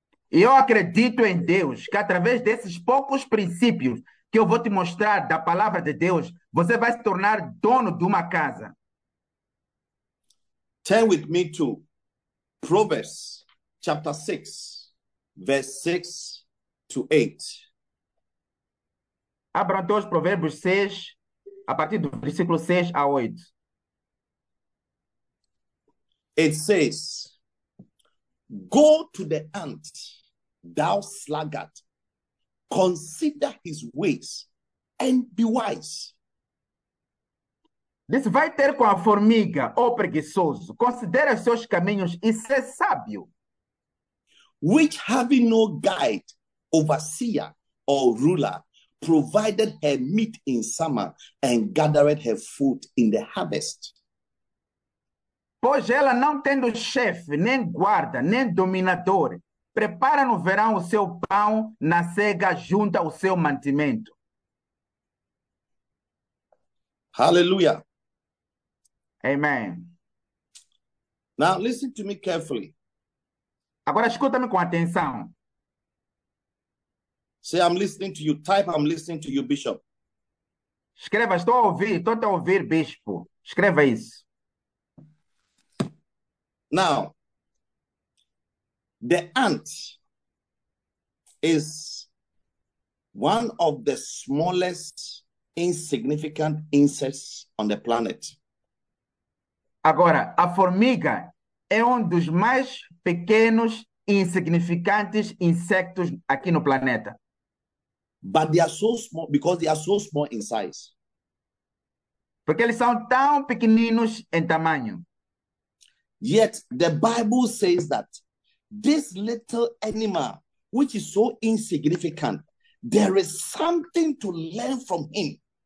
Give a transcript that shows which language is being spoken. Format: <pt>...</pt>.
<pt>E eu acredito em Deus que, através desses poucos princípios que eu vou te mostrar da palavra de Deus, você vai se tornar dono de uma casa.</pt> <en>Turn with me to Proverbs chapter 6, verse 6 to 8.</en> <pt>Abram todos Provérbios 6, a partir do versículo 6 a 8.</pt> <en>It says, go to the ant, thou sluggard, consider his ways and be wise.</en> <pt>Diz, vai ter com a formiga, ó preguiçoso, considera seus caminhos e sê sábio.</pt> <en>Which having no guide, overseer or ruler, provided her meat in summer and gathered her food in the harvest.</en> <pt>Pois ela não tendo chefe, nem guarda, nem dominador, prepara no verão o seu pão, na cega junta o seu mantimento.</pt> <en>Hallelujah. Amen. Now listen to me carefully.</en> <pt>Agora escuta-me com atenção.</pt> <en>Say, I'm listening to you. Type, I'm listening to you, Bishop.</en> <pt>Escreva, estou a ouvir. Estou a ouvir, Bispo. Escreva isso.</pt> <en>Now, the ant is one of the smallest insignificant insects on the planet.</en> <pt>Agora, a formiga é dos mais pequenos e insignificantes insectos aqui no planeta.</pt> <en>But they are so small because they are so small in size.</en> <pt>Porque eles são tão pequeninos em tamanho.</pt> <en>Yet the Bible says that this little animal, which is so insignificant, there is something to learn from him.</en>